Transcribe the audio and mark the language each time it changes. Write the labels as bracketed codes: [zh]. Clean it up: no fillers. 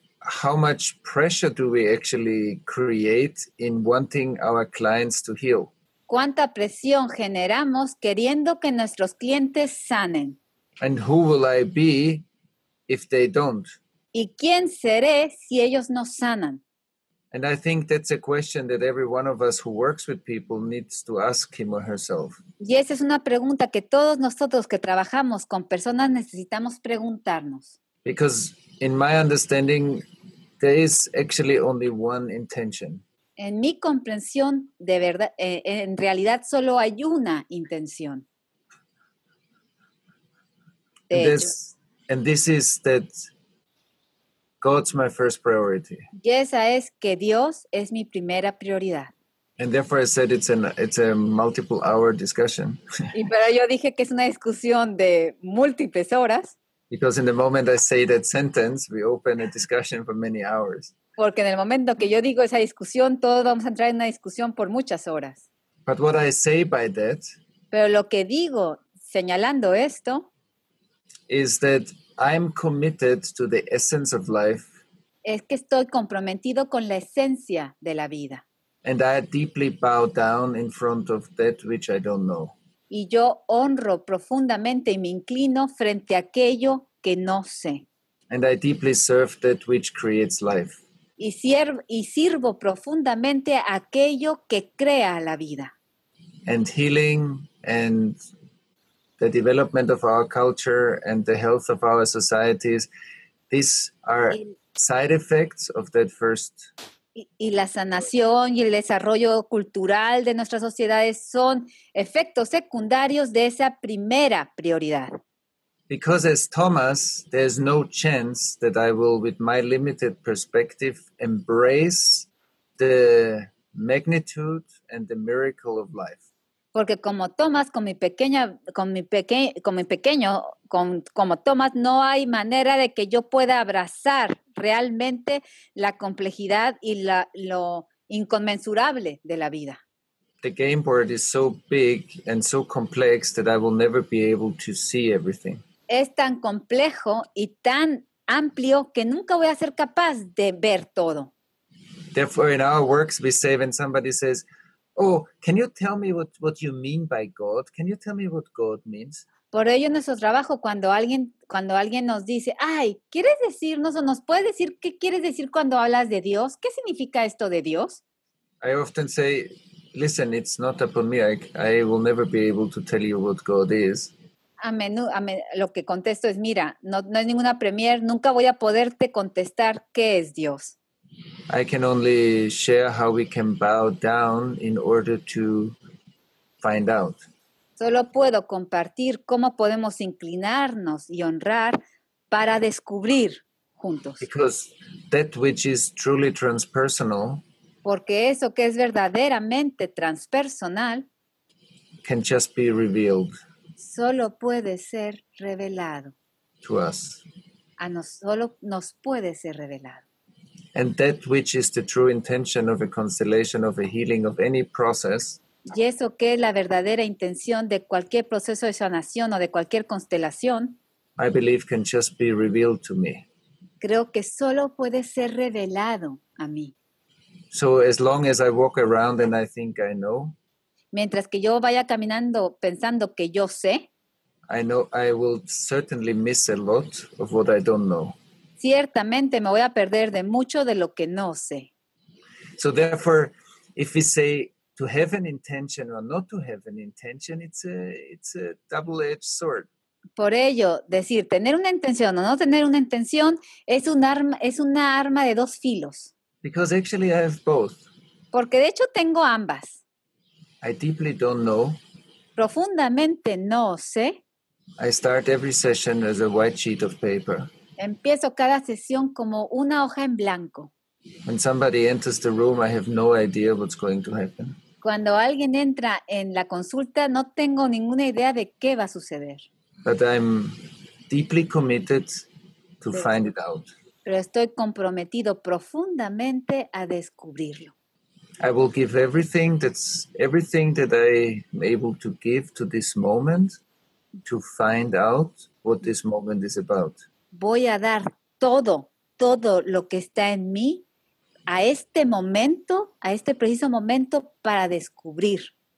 [en] How much pressure do we actually create in wanting our clients to heal? [es] ¿Cuánta presión generamos queriendo que nuestros clientes sanen? [en] And who will I be if they don't? [es] ¿Y quién seré si ellos no sanan? [en] And I think that's a question that every one of us who works with people needs to ask him or herself. [es] Y esa es una pregunta que todos nosotros que trabajamos con personas necesitamos preguntarnos. [en] Because in my understanding, there is actually only one intention. [es] En mi comprensión, de verdad, en realidad solo hay una intención. [en] And this is that God's my first priority. [es] Y esa es que Dios es mi primera prioridad. [en] And therefore I said it's a multiple hour discussion. [es] Y pero yo dije que es una discusión de múltiples horas. [en] Because in the moment I say that sentence, we open a discussion for many hours. [es] Porque en el momento que yo digo esa discusión, todos vamos a entrar en una discusión por muchas horas. [en] But what I say by that, [es] pero lo que digo señalando esto, [en] is that I'm committed to the essence of life. [es] Es que estoy comprometido con la esencia de la vida. [en] And I deeply bow down in front of that which I don't know. [es] Y yo honro profundamente y me inclino frente a aquello que no sé. [en] And I deeply serve that which creates life. [es] Y sirvo profundamente aquello que crea la vida. [en] And healing and the development of our culture and the health of our societies, these are side effects of that first. [es] Y la sanación y el desarrollo cultural de nuestras sociedades son efectos secundarios de esa primera prioridad. [en] Because as Thomas, there's no chance that I will, with my limited perspective, embrace the magnitude and the miracle of life. [es] Porque como Thomas, como Thomas, no hay manera de que yo pueda abrazar realmente la complejidad y lo inconmensurable de la vida. [en] The game board is so big and so complex that I will never be able to see everything. [es] Es tan complejo y tan amplio que nunca voy a ser capaz de ver todo. [en] Therefore, in our works, we say when somebody says, oh, can you tell me what you mean by God? Can you tell me what God means? [es] Por ello, en nuestro trabajo, cuando alguien nos dice, ay, ¿quieres decirnos o nos puedes decir qué quieres decir cuando hablas de Dios? ¿Qué significa esto de Dios? [en] I often say, listen, it's not upon me. I will never be able to tell you what God is. [es] Lo que contesto es, mira, no es ninguna premier, nunca voy a poderte contestar qué es Dios. [en] I can only share how we can bow down in order to find out. [es] Solo puedo compartir cómo podemos inclinarnos y honrar para descubrir juntos. [en] Because that which is truly transpersonal, [es] porque eso que es verdaderamente transpersonal, [en] can just be revealed. [es] Solo puede ser revelado. [en] To us. [es] Solo nos puede ser revelado. [en] And that which is the true intention of a constellation, of a healing, of any process. [es] Y eso que es la verdadera intención de cualquier proceso de sanación o de cualquier constelación. [en] I believe can just be revealed to me. [es] Creo que solo puede ser revelado a mí. [en] So as long as I walk around and I think I know. [es] Mientras que yo vaya caminando pensando que yo sé. [en] I know I will certainly miss a lot of what I don't know. [es] Ciertamente me voy a perder de mucho de lo que no sé. [en] So therefore, if we say to have an intention or not to have an intention, it's a double-edged sword. [es] Por ello, decir tener una intención o no tener una intención es una arma de dos filos. [en] Because actually I have both. [es] Porque de hecho tengo ambas. [en] I deeply don't know. [es] Profundamente no sé. [en] I start every session as a white sheet of paper. [es] Empiezo cada sesión como una hoja en blanco. [en] When somebody enters the room, I have no idea what's going to happen. [es] Cuando alguien entra en la consulta, no tengo ninguna idea de qué va a suceder. [en] But I'm deeply committed to find it out. [es] Pero estoy comprometido profundamente a descubrirlo. [en] I will give everything that I am able to give to this moment to find out what this moment is about. [es] Voy a dar todo lo que está en mí a este momento, a este preciso momento para descubrir.